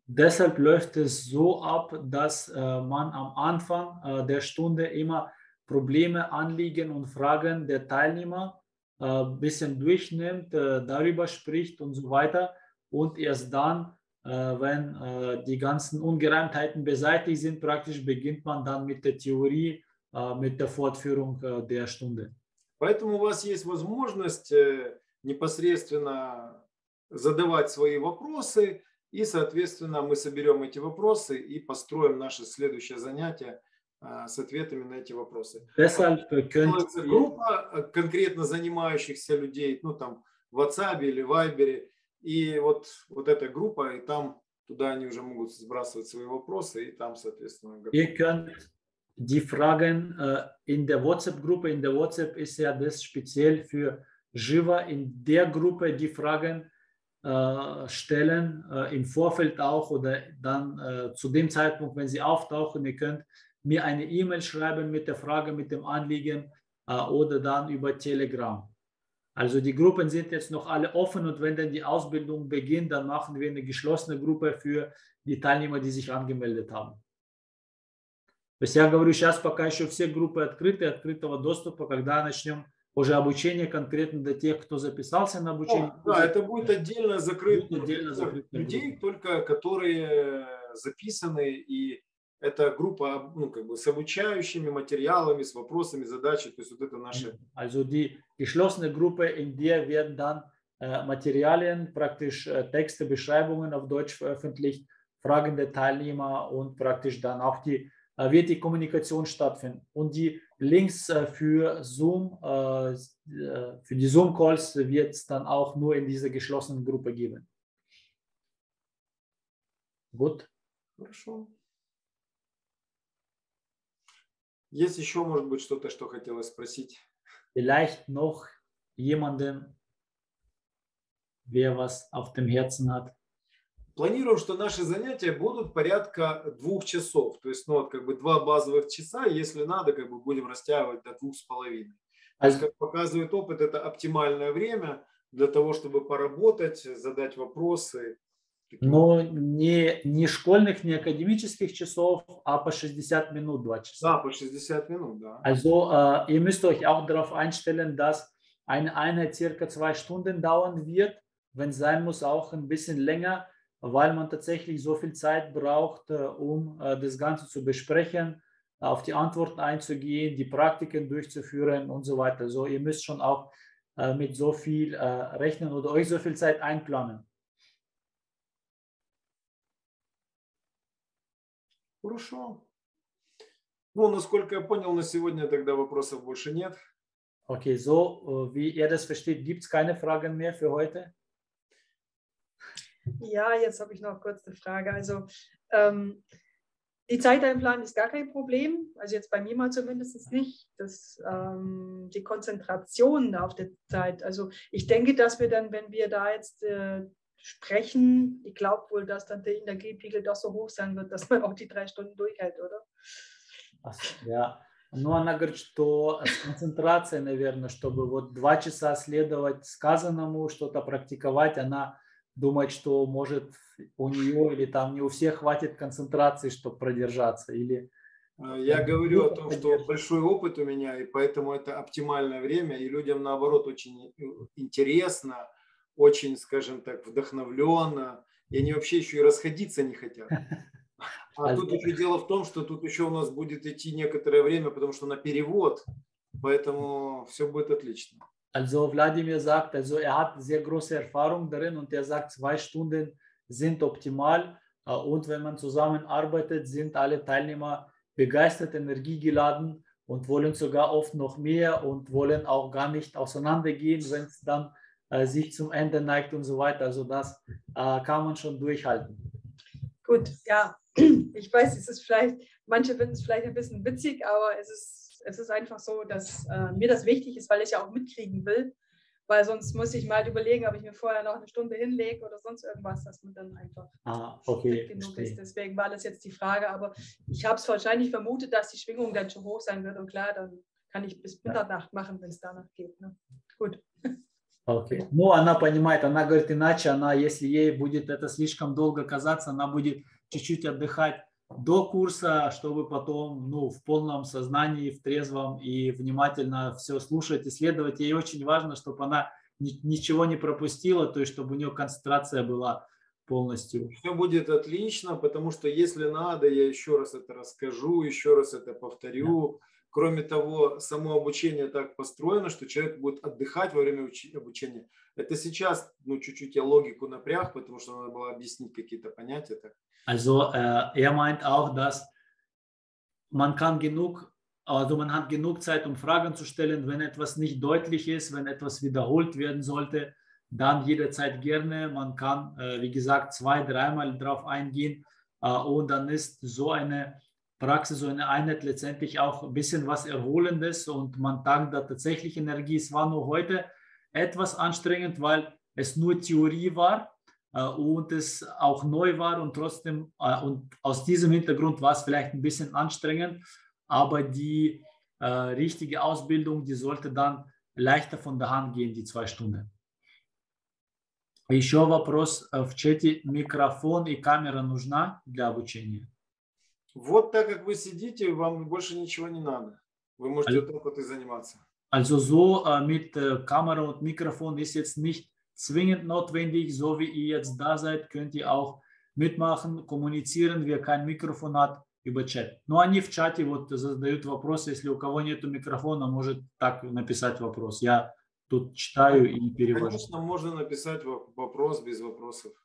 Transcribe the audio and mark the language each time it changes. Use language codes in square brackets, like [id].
[de] Deshalb läuft es so ab, dass man am Anfang der Stunde immer Probleme, Anliegen und Fragen der Teilnehmer bisschen durchnimmt, darüber spricht und so weiter und erst dann wenn die ganzen Ungereimtheiten beseitigt sind, praktisch beginnt man dann mit der Theorie, mit der Fortführung der Stunde. [ru] Поэтому у вас есть возможность непосредственно задавать свои вопросы, и, соответственно, мы соберем эти вопросы и построим наше следующее занятие с ответами на эти вопросы. [de] Deshalb könnte... [ru] Группа конкретно занимающихся людей, ну там в WhatsApp или Viber, и вот, вот эта группа, и там туда они уже могут сбрасывать свои вопросы, и там, соответственно, готовы. [de] Ihr könnt die Fragen in der WhatsApp-Gruppe, in der WhatsApp ist ja das speziell für Jiva, in der Gruppe die Fragen stellen, im Vorfeld auch, oder dann zu dem Zeitpunkt, wenn sie auftauchen, ihr könnt mir eine E-Mail schreiben mit der Frage, mit dem Anliegen, oder dann über Telegram. Also die Gruppen sind jetzt noch alle offen und wenn dann die Ausbildung beginnt, dann machen wir eine geschlossene Gruppe für die Teilnehmer, die sich angemeldet haben. [ru] Bisher говорю, сейчас пока еще все группы открыты, открытого доступа, когда начнем уже обучение конкретно для тех, кто записался на обучение. Oh, да, это будет отдельно закрытая группа людей, только которые записаны, и это группа, ну, как бы с обучающими материалами, с вопросами, задачи, то есть вот это наше. [de] Also die geschlossene Gruppe, in der werden dann Materialien, praktisch Texte, Beschreibungen auf Deutsch veröffentlicht, Fragen der Teilnehmer und praktisch dann auch die wird die Kommunikation stattfinden und die Links für Zoom, für die Zoom Calls wird es dann auch nur in dieser geschlossenen Gruppe geben. Gut. [ru] Хорошо. Есть еще, может быть, что-то, что хотелось спросить? [de] Vielleicht noch jemanden, wer was auf dem Herzen hat. [ru] планируем, что наши занятия будут порядка 2 часов. То есть, ну, вот как бы 2 базовых часа, если надо, как бы будем растягивать до 2,5. То есть, как показывает опыт, это оптимальное время для того, чтобы поработать, задать вопросы. Но не школьных, не академических часов, а по 60 минут 2 часа. Да, по 60 минут, да. [de] Also, ihr müsst euch auch darauf einstellen, dass eine Einheit circa 2 Stunden dauern wird, wenn es sein muss, auch ein bisschen länger, weil man tatsächlich so viel Zeit braucht, um das Ganze zu besprechen, auf die Antworten einzugehen, die Praktiken durchzuführen und so weiter. So, ihr müsst schon auch mit so viel rechnen oder euch so viel Zeit einplanen. [ru] Хорошо. Ну, насколько я понял, на сегодня тогда вопросов больше нет. [de] Окей, so, wie ihr das versteht, gibt es keine Fragen mehr für heute? Ja, jetzt habe ich noch kurz eine Frage. Also, die Zeit einplanen ist gar kein Problem. Also jetzt bei mir mal zumindest nicht. Das, die Konzentration auf der Zeit. Also ich denke, dass wir dann, wenn wir da jetzt sprechen, ich glaube wohl, dass dann der Energiepegel doch so hoch sein wird, dass man auch die 3 Stunden durchhält, oder? Ja. [ru] Ну, она говорит, что с концентрацией, наверное, чтобы вот 2 часа следовать сказанному, что-то практиковать, она думает, что может у нее или там не у всех хватит концентрации, чтобы продержаться. Или... Я говорю о том, что большой опыт у меня, и поэтому это оптимальное время, и людям, наоборот, очень интересно, очень, скажем так, вдохновленно, и они вообще еще и расходиться не хотят. А тут еще дело в том, что тут еще у нас будет идти некоторое время, потому что на перевод, поэтому все будет отлично. [de] Also Vladimir sagt, also hat sehr große Erfahrung darin und sagt, 2 Stunden sind optimal und wenn man zusammenarbeitet, sind alle Teilnehmer begeistert, energiegeladen und wollen sogar oft noch mehr und wollen auch gar nicht auseinandergehen, wenn es dann sich zum Ende neigt und so weiter. Also das kann man schon durchhalten. Gut, ja. Ich weiß, es ist vielleicht, manche finden es vielleicht ein bisschen witzig, aber es ist einfach so, dass mir das wichtig ist, weil ich ja auch mitkriegen will, weil sonst muss ich mal überlegen, ob ich mir vorher noch 1 Stunde hinlege oder sonst irgendwas, dass man dann einfach fit genug ist. Deswegen war das jetzt die Frage, aber ich habe es wahrscheinlich vermutet, dass die Schwingung dann schon hoch sein wird und klar, dann kann ich bis Mitternacht machen, wenn es danach geht. Ne? Gut. [ru] Окей. Okay. Ну, она понимает, она говорит иначе, она, если ей будет это слишком долго казаться, она будет чуть-чуть отдыхать до курса, чтобы потом, ну, в полном сознании, в трезвом и внимательно все слушать, исследовать. Ей очень важно, чтобы она ничего не пропустила, то есть, чтобы у нее концентрация была полностью. Все будет отлично, потому что, если надо, я еще раз это расскажу, еще раз это повторю. Кроме того, само обучение так построено, что человек будет отдыхать во время обучения. Это сейчас, ну, чуть-чуть я логику напряг, потому что надо было объяснить какие-то понятия. Так. [de] Also, er meint auch, dass man kann genug, also man hat genug Zeit, um Fragen zu stellen, wenn etwas nicht deutlich ist, wenn etwas wiederholt werden sollte, dann jederzeit gerne. Man kann, wie gesagt, 2-3 Mal drauf eingehen und dann ist so eine Praxis, so eine Einheit letztendlich auch ein bisschen was Erholendes und man tankt da tatsächlich Energie. Es war nur heute etwas anstrengend, weil es nur Theorie war und es auch neu war und trotzdem, und aus diesem Hintergrund war es vielleicht ein bisschen anstrengend, aber die richtige Ausbildung, die sollte dann leichter von der Hand gehen, die 2 Stunden. [ru] Еще вопрос в чате. Микрофон и камера нужна для обучения? Вот так, как вы сидите, вам больше ничего не надо. Вы можете только этим заниматься. [de] Also so mit Kamera und Mikrofon ist jetzt nicht zwingend notwendig. So wie ihr jetzt da seid, könnt ihr auch mitmachen, kommunizieren, wer kein Mikrofon hat, über Chat. [ru] Но они в чате вот задают вопрос, если у кого нету микрофона, может так написать вопрос. Я тут читаю и перевожу. Конечно, можно написать вопрос без вопросов.